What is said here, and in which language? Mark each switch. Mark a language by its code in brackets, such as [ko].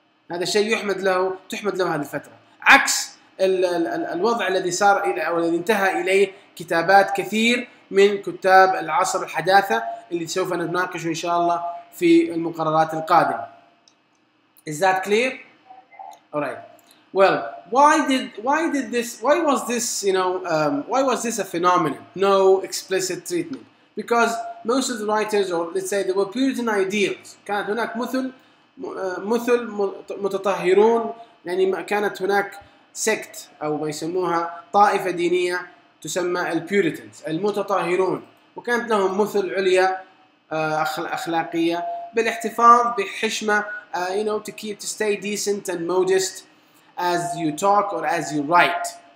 [ar] هذا شيء يحمد له, تحمد له هذه الفترة, عكس الوضع الذي صار إلى أو الذي انتهى إليه كتابات كثير من كتاب العصر الحداثة اللي سوف نناقشه إن شاء الله في المقررات القادمة. [en] Is that clear? Alright. Well, why was this a phenomenon? No explicit treatment. Because most of the writers, or let's say, there were Puritan ideals. [ar] كانت هناك مثل متطهرون, يعني كانت هناك سكت أو ما يسموها طائفة دينية تسمى البيوريتنز المتطهرون, وكانت لهم مثل عليا أخلاقية بالاحتفاظ بحشمة, [en] you know, to keep to stay decent and modest as you talk or as you write.